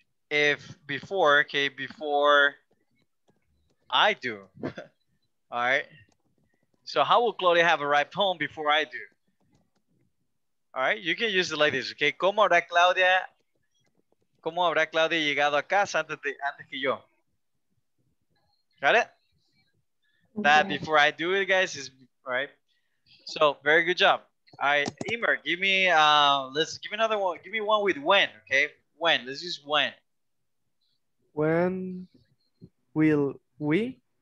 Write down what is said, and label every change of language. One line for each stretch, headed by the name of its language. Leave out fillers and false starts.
English: If before, okay, before I do, all right? So how will Claudia have arrived home before I do? All right, you can use it like this, okay?
Spanish: ¿Cómo habrá Claudia llegado a casa antes que yo?
English: Got it? Okay. That before I do it, guys, is all right. So very good job. All right, Emer, give me another one. Give me one with when, okay? When, let's use when. When will we?